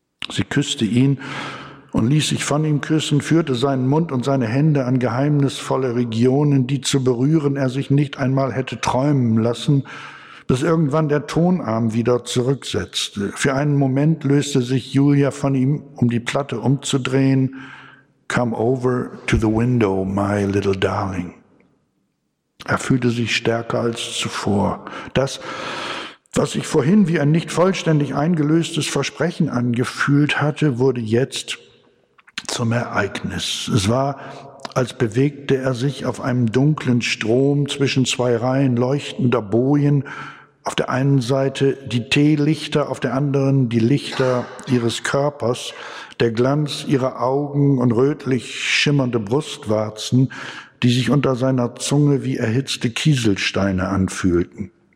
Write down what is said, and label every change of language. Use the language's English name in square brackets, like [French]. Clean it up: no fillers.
[German] Sie küsste ihn und ließ sich von ihm küssen, führte seinen Mund und seine Hände an geheimnisvolle Regionen, die zu berühren er sich nicht einmal hätte träumen lassen, bis irgendwann der Tonarm wieder zurücksetzte. Für einen Moment löste sich Julia von ihm, um die Platte umzudrehen. [English] Come over to the window, my little darling. [German] Er fühlte sich stärker als zuvor. Das, was sich vorhin wie ein nicht vollständig eingelöstes Versprechen angefühlt hatte, wurde jetzt zum Ereignis. Es war, als bewegte er sich auf einem dunklen Strom zwischen zwei Reihen leuchtender Bojen, auf der einen Seite die Teelichter, auf der anderen die Lichter ihres Körpers, der Glanz ihrer Augen und rötlich schimmernde Brustwarzen, die sich unter seiner Zunge wie erhitzte Kieselsteine anfühlten.